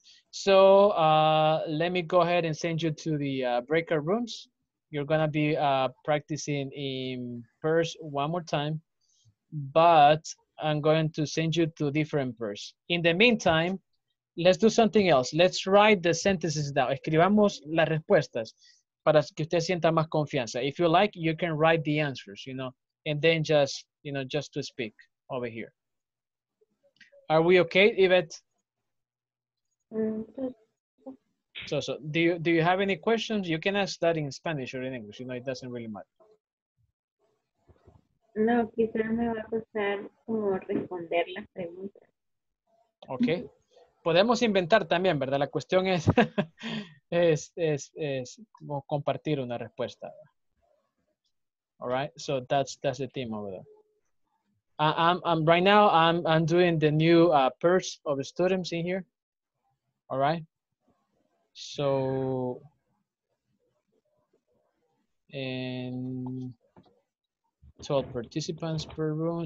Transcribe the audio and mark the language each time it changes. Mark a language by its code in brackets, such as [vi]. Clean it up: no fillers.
[en] So, let me go ahead and send you to the breakout rooms. You're going to be practicing in pairs one more time. But I'm going to send you to different pairs. In the meantime, let's do something else. Let's write the sentences down. [es] Escribamos las respuestas para que usted sienta más confianza. [en] If you like, you can write the answers, you know, and then just, you know, just to speak over here. Are we okay, Yvette? Mm-hmm. So do you have any questions? You can ask that in Spanish or in English, you know, it doesn't really matter. [es] No, quizás me va a costar como responder las preguntas. [en] Okay. [es] Podemos inventar también, ¿verdad? La cuestión es es como compartir una respuesta. [en] All right, so that's the theme over there. I'm doing the new purse of students in here. All right. So, and 12 participants per room.